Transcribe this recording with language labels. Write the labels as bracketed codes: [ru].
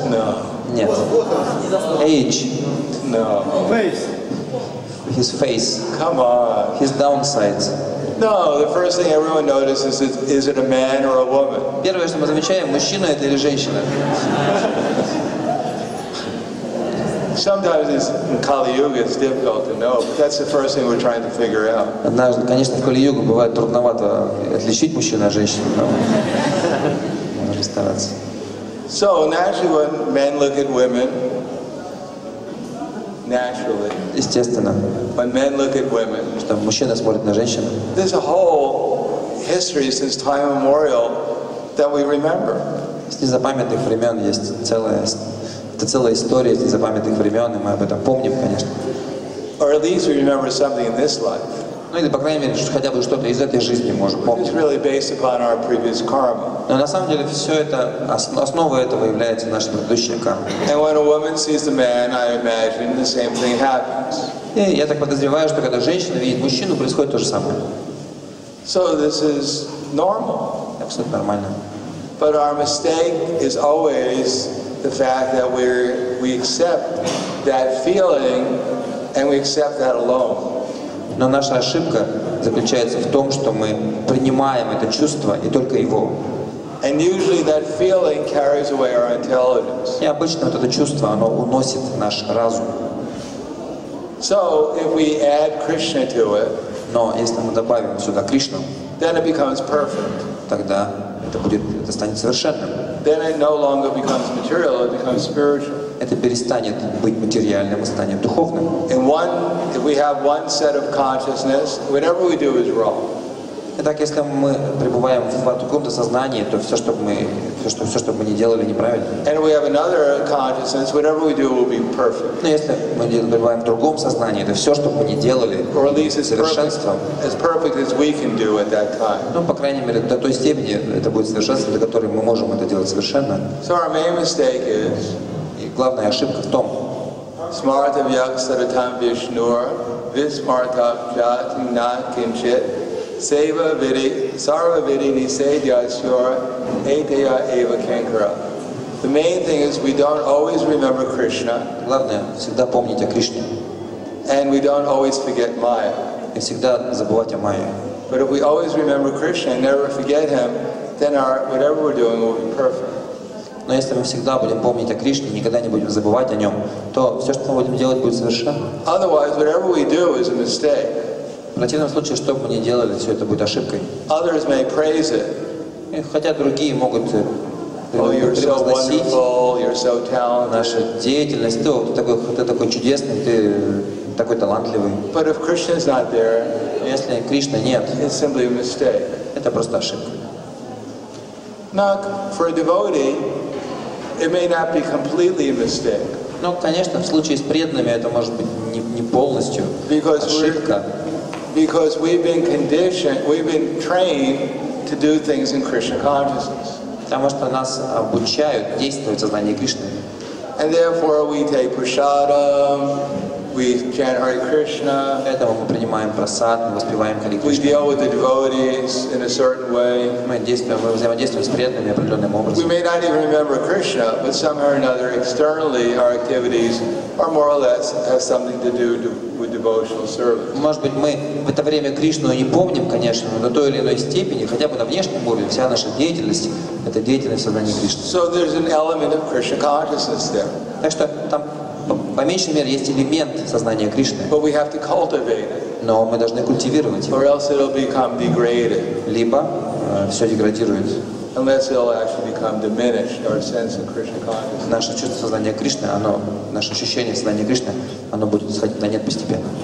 [en] No. [ru] Нет. [en] Age. No. Face. His face. Come on. His downsides. No, the first thing everyone notices is it a man or a woman? [ru] Первое, что мы замечаем, мужчина это или женщина? [en] Sometimes in Kali Yuga it's difficult to know, but that's the first thing we're trying to figure out. [ru] Однажды, конечно, в Кали Юге бывает трудновато отличить мужчину от женщины, но надо стараться. [en] So naturally, when men look at women. Naturally, [ru] естественно. [en] When men look at women, [ru] что мужчина смотрит на женщину. [en] There's a whole history since time immemorial that we remember. [ru] С незапамятных времен есть целая история с незапамятных времен, и мы об этом помним, конечно. [en] Or at least we remember something in this life. [ru] Ну или по крайней мере хотя бы что-то из этой жизни можем помнить. [en] It's really based upon our previous karma. [ru] Но на самом деле все это основа этого является наша предыдущая карма. [en] And when a woman sees a man, I imagine the same thing happens. [ru] И я так подозреваю, что когда женщина видит мужчину, происходит то же самое. [en] So this is normal. [ru] Абсолютно нормально. [en] But our mistake is always the fact that we accept that feeling and we accept that alone. [ru] Но наша ошибка заключается в том, что мы принимаем это чувство и только его. [en] And usually that feeling carries away our intelligence. [ru] И обычно вот это чувство, оно уносит наш разум. [en] So if we add Krishna to it, [ru] но если мы добавим сюда Кришну, [en] then it becomes perfect. [ru] Тогда это станет совершенным. [en] Then it no longer becomes material, it becomes spiritual. [ru] Это перестанет быть материальным, и станет духовным. [en] And one, if we have one set of consciousness, whatever we do is wrong. [ru] Итак, если мы пребываем в каком-то сознании, то все, что бы мы ни делали, неправильно. [en] And we have another consciousness, whatever we do will be perfect. [ru] Но если мы пребываем в другом сознании, то все, что бы мы ни делали, совершенством. [en] As perfect as we can do at that time. [ru] Ну, по крайней мере, до той степени это будет совершенство, до которой мы можем это делать совершенно. [en] So our main mistake is. [ru] И главная ошибка в том. [sa] Smarta vyaksaratam vishnur vismarta jati na kinchit. Seva vidi, sarva vidi ni sedya syura, eteya eva kankara. [en] The main thing is we don't always remember Krishna. [ru] Главное, всегда помнить о Кришне. [en] And we don't always forget Maya. [ru] И всегда забывать о Майе. [en] But if we always remember Krishna and never forget him, then our whatever we're doing will be perfect. [ru] Но если мы всегда будем помнить о Кришне, никогда не будем забывать о нем, то все, что мы будем делать, будет совершенно. [en] Otherwise, whatever we do is a mistake. [ru] В противном случае, что бы мы ни делали, все это будет ошибкой. [en] Others may praise it. [ru] И хотя другие могут превозносить нашу деятельность, то ты такой чудесный, ты такой талантливый. [en] But if Krishna's not there, [ru] если Кришна нет, [en] it's simply a mistake. [ru] Это просто ошибка. [en] Now, for a devotee, it may not be completely a mistake. [ru] Ну, конечно, в случае с преданными это может быть не полностью ошибка. [en] Because we've been conditioned, we've been trained to do things in Krishna consciousness. [ru] Потому что нас обучают действовать в сознании Кришны. [en] And therefore we take prasadam, we chant Hare Krishna. [ru] Поэтому мы принимаем прасад, мы воспеваем Хари Кришна. [en] We deal with the devotees in a certain way. [ru] Мы взаимодействуем с преданными определенным образом. [en] We may not even remember Krishna, but somehow or another, externally, our activities are more or less has something to do with devotional service. [ru] Может быть, мы в это время Кришну не помним, конечно, но до той или иной степени, хотя бы на внешнем уровне, вся наша деятельность — это деятельность в сознании Кришны. [en] So there's an element of Krishna consciousness there. [ru] Так что там. По меньшей мере, есть элемент сознания Кришны. [en] But we have to cultivate it. [ru] Но мы должны культивировать его. [en] Or else it'll become degraded. [ru] Либо все деградирует. [en] Unless it'll actually become diminished, our sense of Krishna consciousness. [ru] Наше чувство сознания Кришны, наше ощущение сознания Кришны, оно будет сходить на нет постепенно.